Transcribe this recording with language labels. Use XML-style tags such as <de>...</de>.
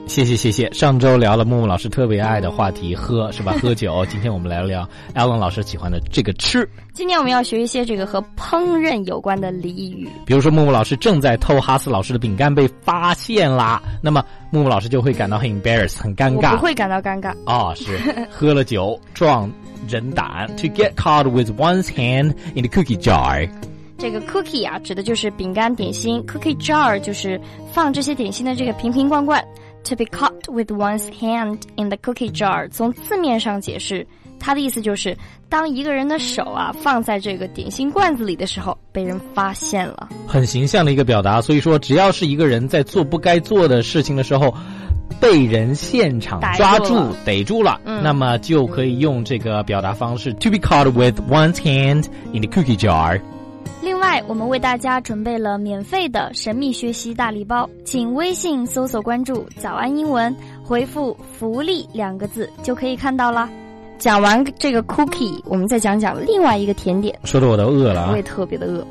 <zh>谢谢，上周聊了木木老师特别爱的话题喝，是吧，喝酒。今天我们来聊 Alan 老师喜欢的这个吃。今天我们要学一些这个和烹饪有关的俚语，比如说木木老师正在偷哈斯老师的饼干被发现啦，那么木木老师就会感到很 embarrass， 很尴尬。我不会感到尴尬哦，是喝了酒壮人胆。</zh> <en>To get caught with one's hand in the cookie jar，</en> <zh>这个 cookie 啊指的就是饼干点心， cookie jar 就是放这些点心的这个瓶瓶罐罐。</zh> <en>To be caught with one's hand in the cookie jar，</en> <zh>从字面上解释，它的意思就是当一个人的手啊放在这个点心罐子里的时候被人发现了，很形象的一个表达。所以说只要是一个人在做不该做的事情的时候被人现场抓住逮住了、那么就可以用这个表达方式</zh> <en>To be caught with one's hand in the cookie jar。</en> <zh>另外我们为大家准备了免费的神秘学习大礼包，请微信搜索关注早安英文，回复福利两个字就可以看到了。讲完这个 cookie， 我们再讲讲另外一个甜点。说的我都饿了，我也特别的饿</zh>